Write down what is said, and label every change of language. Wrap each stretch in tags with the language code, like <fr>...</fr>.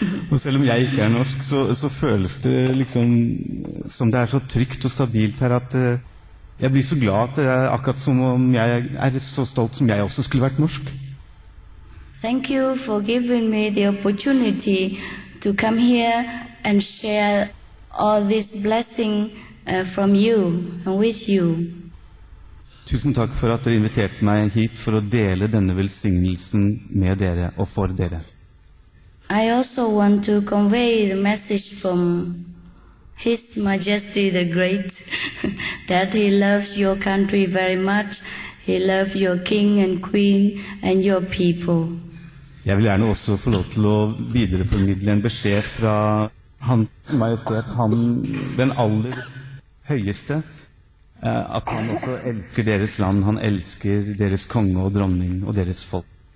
<no>Og selv om jeg ikke norsk, så føles det liksom som det så trygt og stabilt her at jeg blir så glad at det akkurat som om jeg så stolt som jeg også skulle vært norsk.</no> <en>Thank you for giving me the opportunity to come here and share all this blessing from you and with you.</en> <no>Tusen takk for at dere inviterte meg hit for å dele denne velsignelsen med dere og for dere.</no> <en>I also want to convey the message from His Majesty the Great that he loves your country very much. He loves your king and queen and your people.</en> <no>Jeg vil gjerne også få lov til å videreformidle en beskjed fra han, majestet, han, den aller høyeste, at han også elsker deres land, han elsker deres konge og dronning og deres folk.</no>